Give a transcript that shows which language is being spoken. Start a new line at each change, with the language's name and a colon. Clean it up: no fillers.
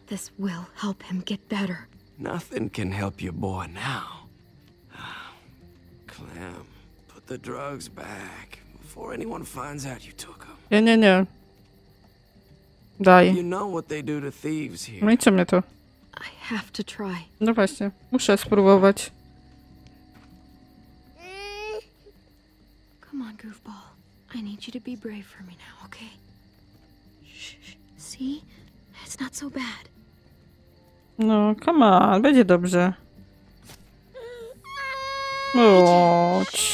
English: This will help him get better. Nothing can help your boy now. Clem, put the drugs back before anyone finds out you took them.
Polish: Nie, nie, nie. Daj.
English: You know what they do to thieves here.
Polish: No i co mnie to?
English: I have to try.
Polish: No właśnie, muszę spróbować.
English: Come on, goofball. I need you to be brave for me now, okay? See? It's not so bad.
Polish: No,
English: come on,
Polish: będzie dobrze.
English: Oh,